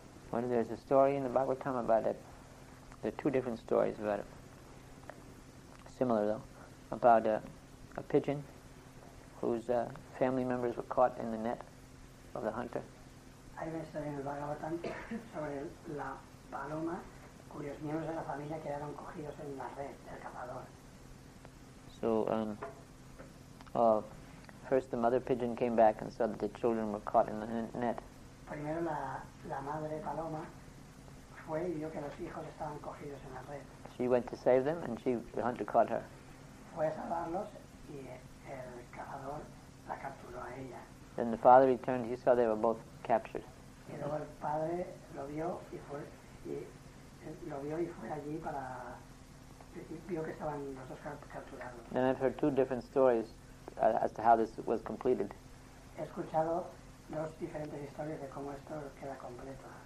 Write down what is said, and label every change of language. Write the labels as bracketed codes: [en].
[en] When there's a story in the Bhagavatam about it. There are 2 different stories about it. Similar though. About a pigeon whose family members were caught in the net of the hunter. [es] Hay una historia en el Bhagavatam sobre la paloma cuyos miembros de la familia quedaron cogidos en la red del cazador. [en] So, first the mother pigeon came back and saw that the children were caught in the net. [es] Primero la madre paloma fue y vio que los hijos estaban cogidos en la red. [en] She went to save them and the hunter caught her. [es] Fue a salvarlos y el cazador la capturó a ella. [en] Then the father returned, he saw they were both captured. [es] Y luego el padre lo vio y fue allí para vio que estaban los dos capturados. [en] Then I've heard 2 different stories as to how this was completed. [es] He escuchado dos diferentes historias de cómo esto queda completo.